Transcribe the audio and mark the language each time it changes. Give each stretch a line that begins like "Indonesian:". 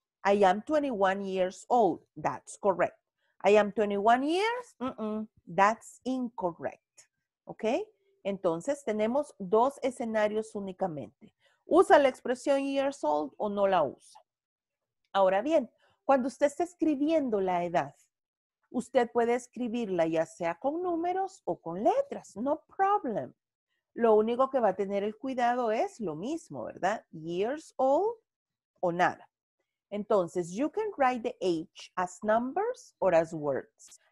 English: I am 21 years old, that's correct. I am 21 years, that's incorrect.
Spanish: ¿Ok? Entonces, tenemos dos escenarios únicamente. ¿Usa la expresión years old o no la usa? Ahora bien, cuando usted está escribiendo la edad, usted puede escribirla ya sea con números o con letras.
English: No problem.
Spanish: Lo único que va a tener el cuidado es lo mismo, ¿verdad?
English: Years old
Spanish: o nada.
English: Entonces, you can write the age as numbers or as words.